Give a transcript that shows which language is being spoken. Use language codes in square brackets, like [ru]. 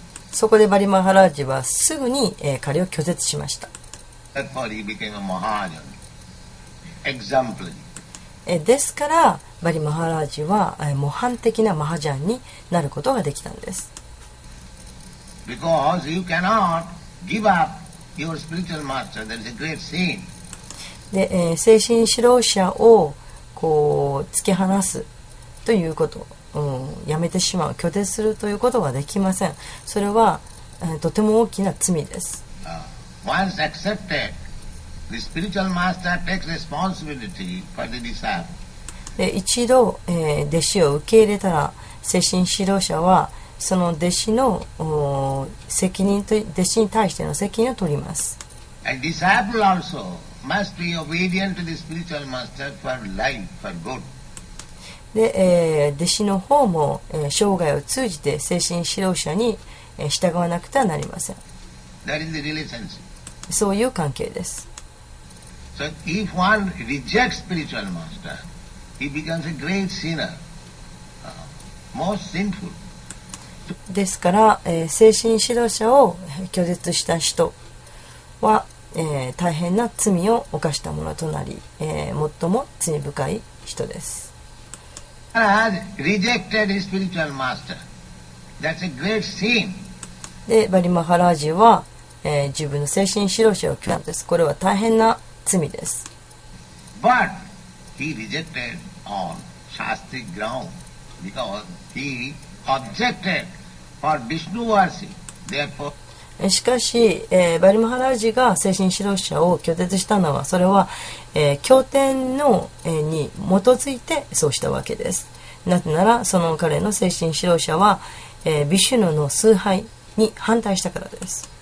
[ja] そこでバリマハラジはすぐに、彼を拒絶しました。 [en] Therefore he became a MahajanExemplary. [ja] ですからバリマハラージは模範的なマハジャンになることができたんです。 [en] Because you cannot give up your spiritual master, that is a great sin. [ja] で、精神指導者をこう突き放すということ、やめてしまう、拒絶するということはできません。それは、とても大きな罪です。 [en] Once accepted. The spiritual master takes responsibility for the disciple. [ja] 一度、弟子を受け入れたら精神指導者はその弟子の責任と弟子に対しての責任を取ります。 [en] A disciple also must be obedient to the spiritual master for life, for good. [ja] で、弟子の方も、生涯を通じて精神指導者に、従わなくてはなりません。 [en] That is the relationship. [ja] そういう関係です。 [en] So if one rejects spiritual master, he becomes a great sinner, most sinful. [ja] ですから、精神指導者を拒絶した人は、大変な罪を犯したものとなり、最も罪深い人です。 [en] Has rejected his spiritual master. That's a great sin. [ja] で、バリマハラージは、自分の精神指導者を拒絶したんです。これは大変な罪です。 [en] But he rejected on Shastric ground because he objected for Vishnu worship. Therefore, [ja] しかし、バリマハラージが精神指導者を拒絶したのは、それは、経典の、に基づいてそうしたわけです。なぜなら、その彼の精神指導者は、ビシュヌの崇拝に反対したからです。